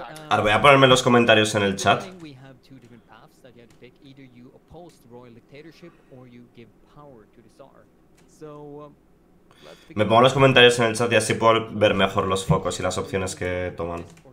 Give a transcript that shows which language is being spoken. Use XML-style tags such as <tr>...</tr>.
<es>Ahora voy a ponerme los comentarios en el chat.</es> <en>paths that you had to take. Either you oppose the royal dictatorship or you give power to the Tsar. So,</en> <es>me pongo los comentarios en el chat y así puedo ver mejor los focos y las opciones que toman.</es>